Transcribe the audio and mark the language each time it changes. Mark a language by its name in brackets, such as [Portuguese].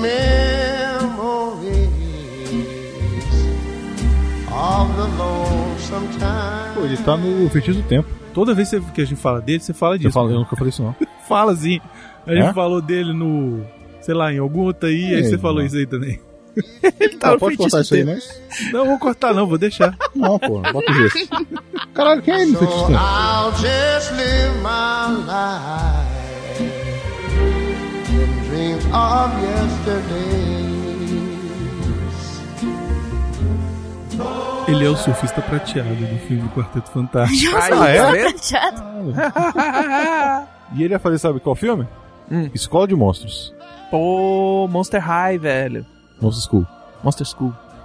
[English] memories of the lonesome time. [Portuguese] Pô, ele tá no Feitiço do Tempo. Toda vez que a gente fala dele, você fala disso. Eu nunca falei isso, não. Fala, sim. A gente falou dele no, sei lá, em algum outro aí, e aí você falou isso aí também. Ele tá no Feitiço do Tempo. Pode cortar isso aí, né? Não, vou cortar não, vou deixar. Não, pô, bota isso. Caralho, quem é ele no Feitiço do Tempo? [English] I'll just live my life in dreams of yesterday. [Portuguese] Ele é o surfista prateado do filme do Quarteto Fantástico. Ah, é? Prateado. E ele ia fazer, sabe qual filme? Escola de Monstros. Pô, Monster High, velho. [English] Monster School. Monster School.